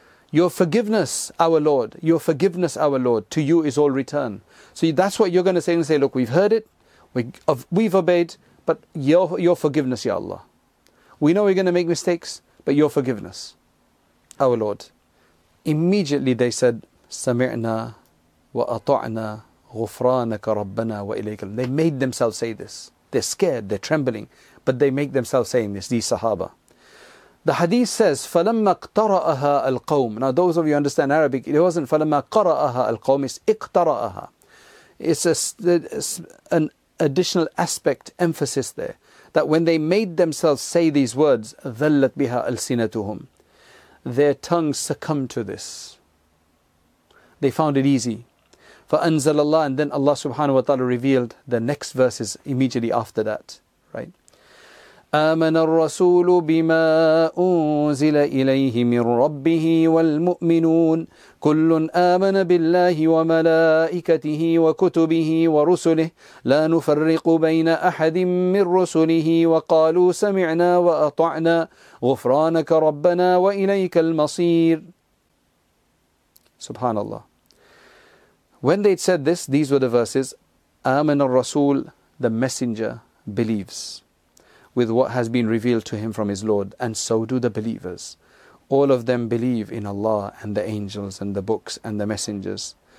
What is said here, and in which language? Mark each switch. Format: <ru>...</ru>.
<en>Your forgiveness, our Lord, your forgiveness, our Lord, to you is all return. So that's what you're going to say and say, look, we've heard it, we've obeyed, but your forgiveness, Ya Allah. We know we're going to make mistakes, but your forgiveness, our Lord. Immediately they said,</en> <ar>سَمِعْنَا وَأَطَعْنَا غُفْرَانَكَ رَبَّنَا وَإِلَيْكَ الْمَصِيرُ.</ar> <en>They made themselves say this. They're scared, they're trembling, but they make themselves saying this, these Sahaba. The hadith says,</en> <ar>فَلَمَّا اقْتَرَأَهَا الْقَوْمِ.</ar> <en>Now those of you who understand Arabic, it wasn't</en> <ar>فَلَمَّا قَرَأَهَا الْقَوْمِ,</ar> <en>it's اقْتَرَأَهَا. It's an additional aspect, emphasis there, that when they made themselves say these words,</en> <ar>ذَلَّتْ بِهَا أَلْسِنَتُهُمْ,</ar> <en>their tongues succumbed to this. They found it easy.</en> <ar>فَأَنزَلَ اللَّهُ,</ar> <en>and then Allah subhanahu wa ta'ala revealed the next verses immediately after that, right?</en> <ar>آمن الرسول بما أنزل إليه من ربه والمؤمنون كل آمن بالله وملائكته وكتبه ورسله لا نفرق بين أحد من رسله وقالوا سمعنا وأطعنا غفرانك ربنا وإليك المصير. سبحان الله.</ar> <en>When they said this, these were the verses.</en> <ar>آمن الرسول,</ar> <en>the messenger believes with what has been revealed to him from his Lord, and so do the believers. All of them believe in Allah and the angels and the books and the messengers.</en>